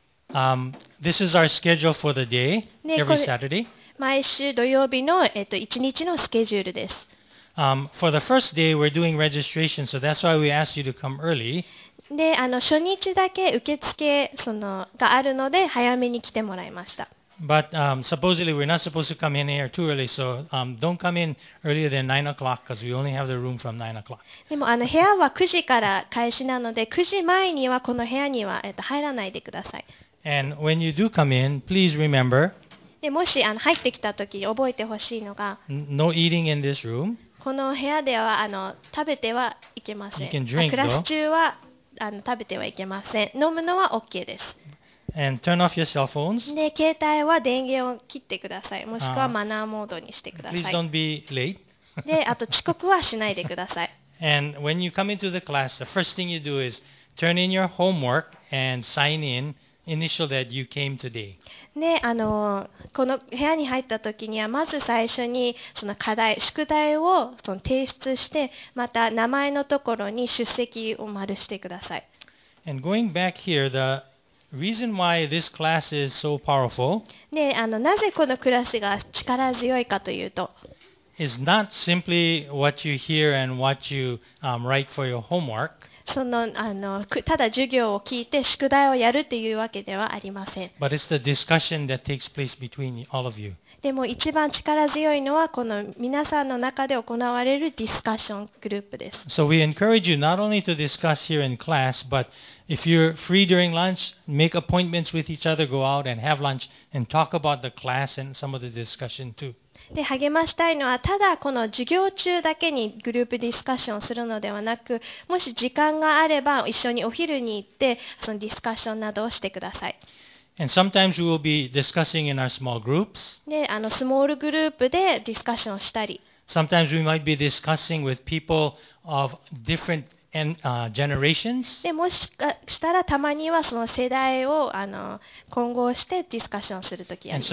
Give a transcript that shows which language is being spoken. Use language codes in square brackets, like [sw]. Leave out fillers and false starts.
[en] This is our schedule for the day, every Saturday. [ja] 毎週土曜日の1日のスケジュールです。 [en] For the first day, we're doing registration, so that's why we asked you to come early. [ja] で、初日だけ受付そのがあるので早めに来てもらいました。 [en] But supposedly we're not supposed to come in here too early, so don't come in earlier than 9 o'clock because we only have the room from 9 o'clock. [ja] でも部屋は9時から開始なので9時前にはこの部屋には入らないでください。 [en] And when you do come in, please remember. [ja] でもし入ってきた時覚えてほしいのが、 [en] No eating in this room. [ja] この部屋では食べてはいけません。 [en] You can drink, [ja] クラス中は食べてはいけません。飲むのは OK です。 [en] And turn off your cell phones. [ja] で、携帯は電源を切ってください。もしくはマナーモードにしてください。 [en] Please don't be late. [ja] で、あと遅刻はしないでください。 [en] And when you come into the class, the first thing you do is turn in your homework and sign in, initial that you came today. [ja] で、この部屋に入った時にはまず最初にその課題、宿題をその提出して、また名前のところに出席を丸してください。 [en] And going back here, the reason why this class is so powerful. [ja] で、なぜこのクラスが力強いかというと、 [en] is not simply what you hear and what you write for your homework. [ja] そのただ授業を聞いて宿題をやるというわけではありません。 [en] But it's the discussion that takes place between all of you. [ja] でも一番力強いのはこの皆さんの中で行われるディスカッショングループです。 [en] So we encourage you not only to discuss here in class, but if you're free during lunch, make appointments with each other, go out and have lunch and talk about the class and some of the discussion too. [ja] で励ましたいのはただこの授業中だけにグループディスカッションをするのではなくもし時間があれば一緒にお昼に行ってそのディスカッションなどをしてください。 [en] And sometimes we will be discussing in our small groups. [ja] で、スモールグループでディスカッションをしたり。 [en] Sometimes we might be discussing with people of different generations. [ja] で、もしかしたらたまにはその世代を混合してディスカッションするときあります。